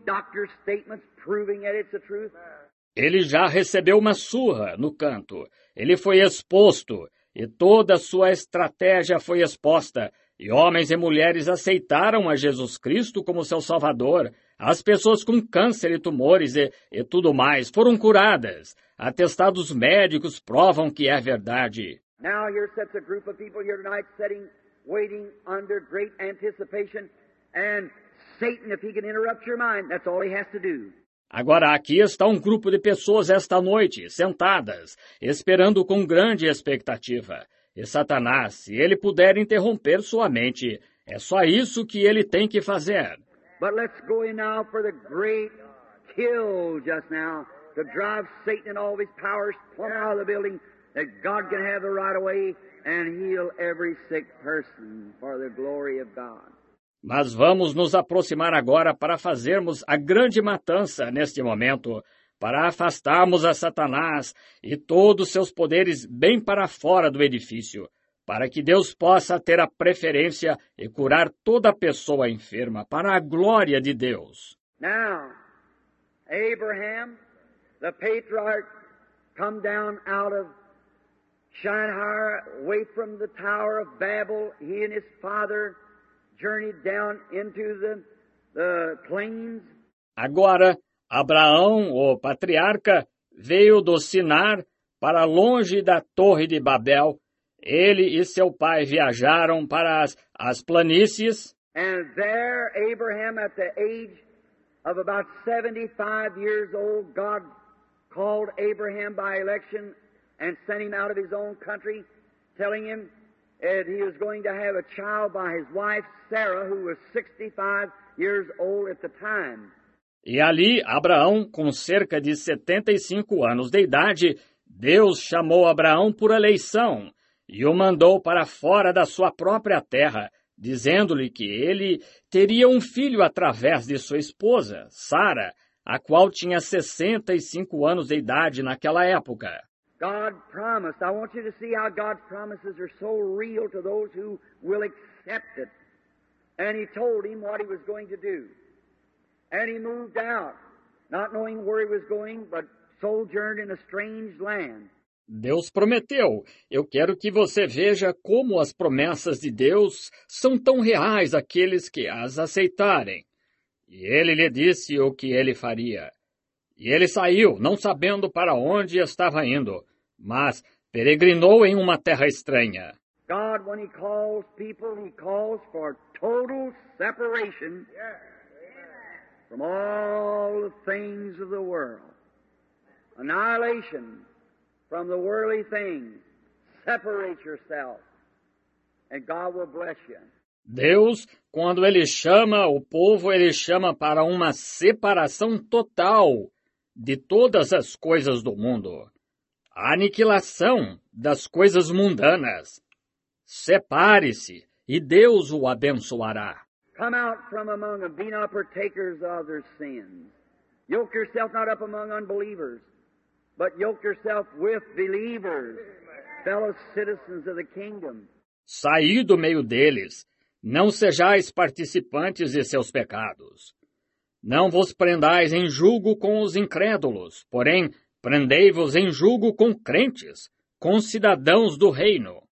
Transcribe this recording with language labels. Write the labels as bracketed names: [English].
[English] Doctor's statements proving that it's the truth. [Portuguese] Ele já recebeu uma surra no canto. Ele foi exposto e toda a sua estratégia foi exposta. E homens e mulheres aceitaram a Jesus Cristo como seu Salvador. As pessoas com câncer e tumores e tudo mais foram curadas. Atestados médicos provam que é verdade. [English] Now here sits a group of people here tonight sitting, waiting under great anticipation, and Satan, if he can interrupt your mind, that's all he has to do. [Portuguese] Agora, aqui está um grupo de pessoas esta noite, sentadas, esperando com grande expectativa. E Satanás, se ele puder interromper sua mente, é só isso que ele tem que fazer. [English] But let's go in now for the great kill just now, to drive Satan and all of his powers plumb out of the building, that God can have the right of way and heal every sick person for the glory of God. [Portuguese] Mas vamos nos aproximar agora para fazermos a grande matança neste momento, para afastarmos a Satanás e todos seus poderes bem para fora do edifício, para que Deus possa ter a preferência e curar toda pessoa enferma para a glória de Deus. [English] Now, Abraham, the patriarch, come down out of Shinar, away from the Tower of Babel, he and his father journeyed down into the plains. [Portuguese] Agora, Abraão, o patriarca, veio do Sinar para longe da Torre de Babel. Ele e seu pai viajaram para as planícies. [English] And there, Abraham, at the age of about 75 years old, God called Abraham by election and sent him out of his own country, telling him that he was going to have a child by his wife Sarah, who was 65 years old at the time. [Portuguese] E ali, Abraão, com cerca de 75 anos de idade, Deus chamou Abraão por eleição e o mandou para fora da sua própria terra, dizendo-lhe que ele teria um filho através de sua esposa, Sara, a qual tinha 65 anos de idade naquela época. [English] God promised. I want you to see how God's promises are so real to those who will accept it. And he told him what he was going to do. And he moved out, not knowing where he was going, but sojourned in a strange land. [Portuguese] Deus prometeu. Eu quero que você veja como as promessas de Deus são tão reais àqueles que as aceitarem. E ele lhe disse o que ele faria. E ele saiu, não sabendo para onde estava indo, mas peregrinou em uma terra estranha. [English] God, when he calls people, he calls for total separation from all the things of the world. Annihilation from the worldly things. Separate yourself, and God will bless you. [Portuguese] Deus, quando ele chama o povo, ele chama para uma separação total de todas as coisas do mundo, a aniquilação das coisas mundanas. Separe-se e Deus o abençoará. [English] Come out from among them, be not partakers of their sins. Yoke yourself not up among unbelievers, but yoke yourself with believers, fellow citizens of the kingdom. [Portuguese] Saí do meio deles. Não sejais participantes de seus pecados. Não vos prendais em julgo com os incrédulos, porém, prendei-vos em julgo com crentes, com cidadãos do reino.